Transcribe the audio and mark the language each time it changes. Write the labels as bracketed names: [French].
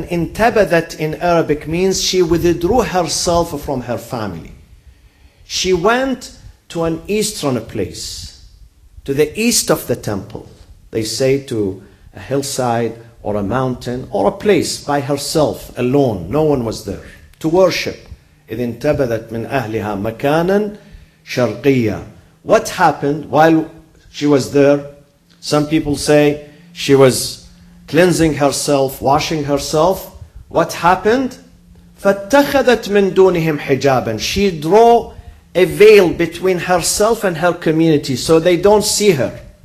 [English] انتبذت in Arabic means she withdrew herself from her family. She went to an eastern place, to the east of the temple. They say to a hillside or a mountain or a place by herself alone, no one was there, to worship. [Arabic] إذ انتبذت من أهلها مكانا شرقيا. [English] What happened while she was there? Some people say she was cleansing herself, washing herself. What happened? [Arabic] فَاتَّخَذَتْ مِن دُونِهِمْ حِجَابًا. [English] She drew a veil between herself and her community so they don't see her.